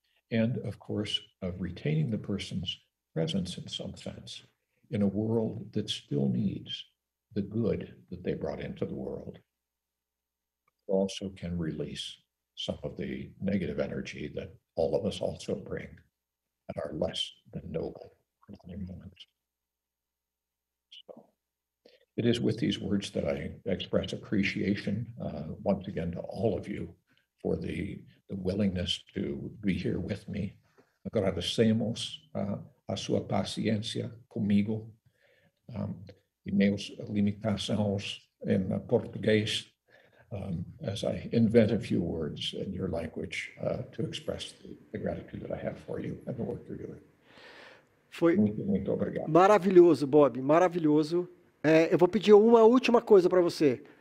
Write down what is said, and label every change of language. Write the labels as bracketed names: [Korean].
[English] And of course, of retaining the person's presence in some sense in a world that still needs the good that they brought into the world, also can release some of the negative energy that all of us also bring at our less than noble moments. So it is with these words that I express appreciation once again to all of you for the willingness to be here with me. [Portuguese] Agradecemos a sua paciência comigo e meus limitações em português. [English] As I invent a few words in your language to express the gratitude that I have for you and the work you're doing. [Portuguese] Foi muito obrigado. Maravilhoso, Bob, maravilhoso. É, eu vou pedir uma última coisa para você.